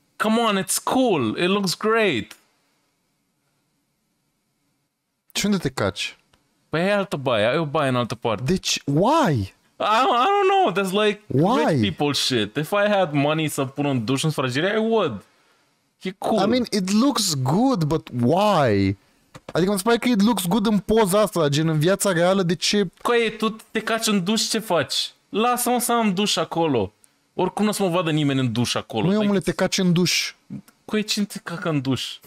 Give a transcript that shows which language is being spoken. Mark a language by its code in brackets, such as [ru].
[en] Come on, it's cool. It looks great. [ro] Ce, unde te caci? Păi e altă baie. Ai o baie în altă parte. Deci, [en] why? I don't know. That's like why? Rich people shit. If I had money [ro] să pun un duș în sfragerie, [en] I would. [ro] E cool. [en] I mean, it looks good, but why? [ro] Adică îmi spune că [en] it looks good [ro] în poza asta, gen în viața reală, de ce? Coi, tu te caci în duș, ce faci? Lasă-mă să am duș acolo. Oricum nu o să mă vadă nimeni în duș acolo. Măi, omule, te caci în duș. Coi, cine te cacă în duș?